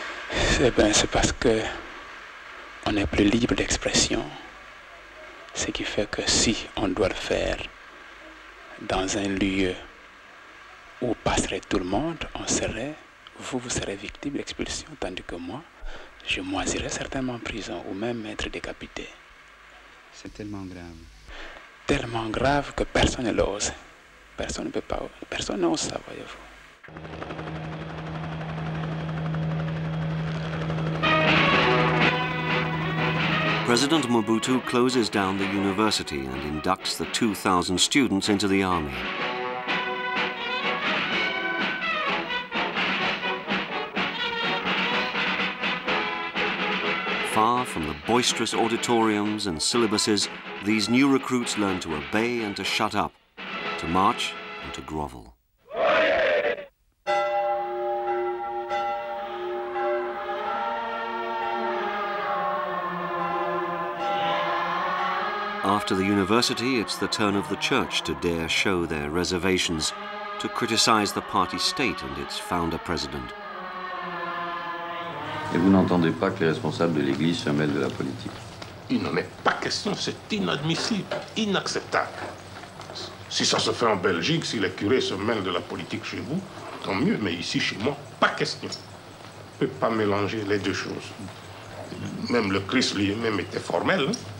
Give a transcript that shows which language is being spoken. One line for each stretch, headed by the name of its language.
French: C'est parce que on n'est plus libre d'expression, ce qui fait que si on doit le faire dans un lieu où passerait tout le monde, on serait, vous serez victime d'expulsion, tandis que moi, je moisirais certainement en prison ou même être décapité. C'est tellement grave. Tellement grave que personne ne l'ose. Personne ne peut pas, personne n'ose ça, voyez-vous.
English: President Mobutu closes down the university and inducts the 2,000 students into the army. Far from the boisterous auditoriums and syllabuses, these new recruits learn to obey and to shut up, to march and to grovel. After the university, it's the turn of the church to dare show their reservations, to criticize the party state and its founder president.
French: Et vous n'entendez pas que les responsables de l'Église se mêlent de la politique? Il n'en est pas question, c'est inadmissible, inacceptable. Si ça se fait en Belgique, si les curés se mêlent de la politique chez vous, tant mieux, mais ici, chez moi, pas question. On ne peut pas mélanger les deux choses. Même le Christ lui-même était formel, hein?